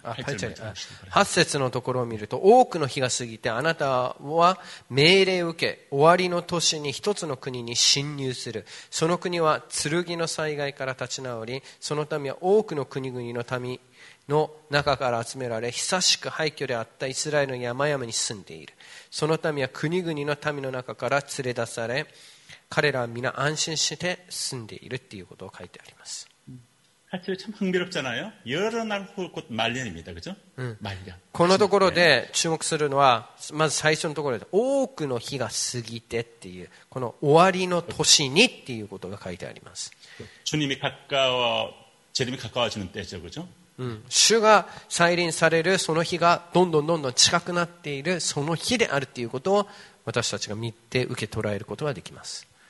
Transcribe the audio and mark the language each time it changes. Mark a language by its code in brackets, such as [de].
[ja] 8절8節のところを見ると多くの日が過ぎてあなたは命令を受け終わりの年に一つの国に侵入するその国は剣の災害から立ち直りその民は多くの国々の民の中から集められ久しく廃墟であったイスラエルの山々に住んでいるその民は国々の民の中から連れ出され彼らは皆安心して住んでいるっていうことを書いてあります [ko] 8절참흥미롭잖아요여러날후곧말년입니다그죠말년 [ja] このところで注目するのはまず最初のところで多くの日が過ぎてっていうこの終わりの年にっていうことが書いてあります [ko] 주님이가까워재림이가까워지는때죠그죠 [ja] 主が再臨されるその日がどんどんどんどん近くなっているその日であるということを私たちが見て受け取られることができます